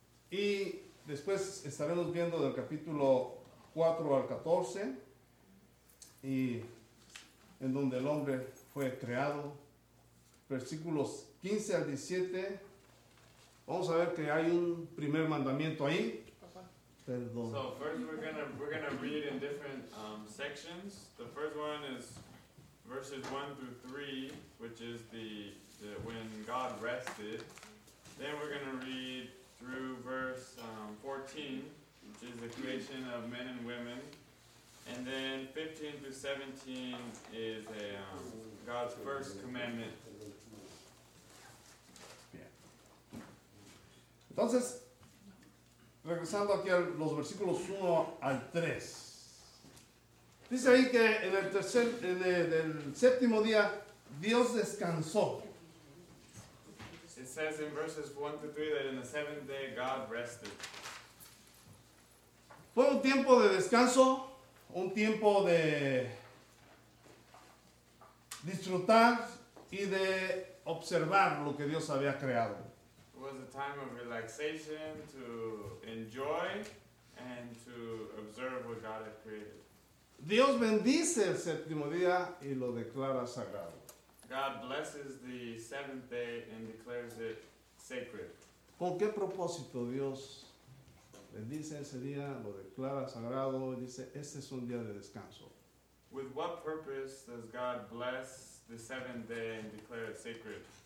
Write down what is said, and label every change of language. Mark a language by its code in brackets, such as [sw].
[es] Y después estaremos viendo del capítulo 4 al 14, y en donde el hombre fue creado, versículos 15 al 17, vamos a ver que hay un primer mandamiento ahí. Perdón. [en] So first we're gonna read in different sections. The first one is verses 1 through 3, which is the when God rested. Then we're gonna read through verse 14, which is the creation of men and women. And then 15 through 17 is God's first commandment. [es] Entonces, regresando aquí a los versículos 1 al 3. Dice ahí que en el tercer, en el séptimo día, Dios descansó. [en] It says in verses 1 to 3 that in the seventh day, God rested. [es] Fue un tiempo de descanso, un tiempo de disfrutar y de observar lo que Dios había creado. [en] It was a time of relaxation to enjoy and to observe what God had created. [es] Dios bendice el séptimo día y lo declara sagrado. [en] God blesses the seventh day and declares it sacred. [es] ¿Con qué propósito Dios bendice ese día, lo declara sagrado y dice, este es un día de descanso? [en] With what purpose does God bless the seventh day and declare it sacred?